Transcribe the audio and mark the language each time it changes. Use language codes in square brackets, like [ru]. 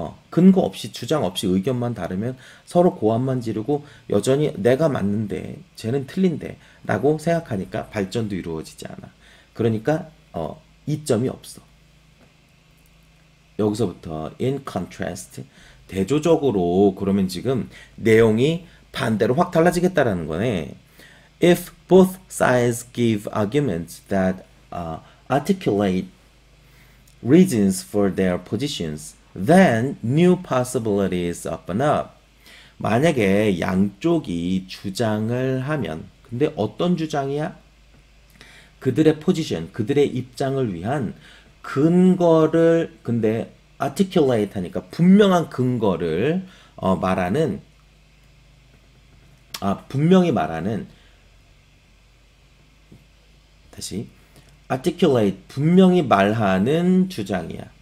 [ko] 근거 없이, 주장 없이 의견만 다르면 서로 고함만 지르고 여전히 내가 맞는데, 쟤는 틀린데라고 생각하니까 발전도 이루어지지 않아. 그러니까, 이점이 없어. 여기서부터 [en] in contrast. [ko] 대조적으로 그러면 지금 내용이 반대로 확 달라지겠다라는 거네. [en] If both sides give arguments that articulate reasons for their positions, then new possibilities open up. [ko] 만약에 양쪽이 주장을 하면, 근데 어떤 주장이야? 그들의 포지션, 그들의 입장을 위한 근거를, 근데 articulate 하니까 분명한 근거를 말하는, 분명히 말하는, 다시 articulate 분명히 말하는 주장이야.